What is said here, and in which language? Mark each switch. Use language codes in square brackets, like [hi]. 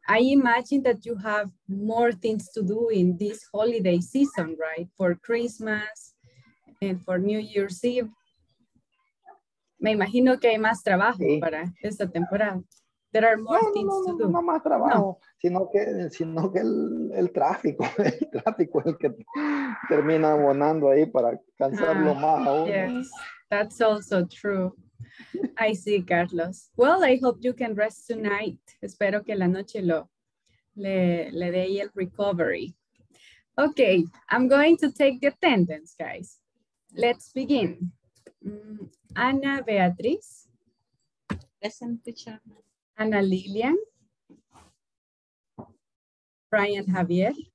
[en] I imagine that you have more things to do in this holiday season, right? For Christmas and for New Year's Eve. [es] Me imagino que hay más trabajo para esta temporada. [en] There are more things to do. [es] No más trabajo, sino que el tráfico es el que termina abonando ahí para cansarlo más aún. [en] Yes, that's also true. I see, Carlos. Well, I hope you can rest tonight. [es] Espero que la noche le dé el recovery. [en] Okay, I'm going to take the attendance, guys. Let's begin. Ana Beatriz. Present, teacher. Ana Lilian. Brian Javier.